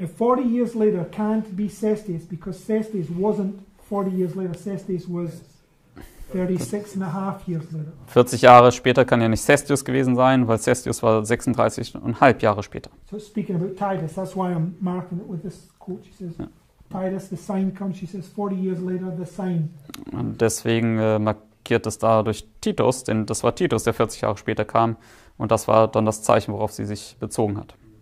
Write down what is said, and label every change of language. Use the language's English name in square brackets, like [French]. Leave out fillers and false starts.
[English] 40 years later can't be Cestius because Cestius wasn't 40 years later. Cestius was 36 and a half years later. [German] 40 Jahre später kann ja nicht Cestius gewesen sein, weil Cestius war 36 und halb Jahre später. [English] So speaking about Titus, that's why I'm marking it with this quote. She says, Titus, the sign comes. She says, 40 years later, the sign. [German] Und deswegen markiert es dadurch Titus, denn das war Titus, der 40 Jahre später kam. Und das war dann das Zeichen, worauf sie sich bezogen hat.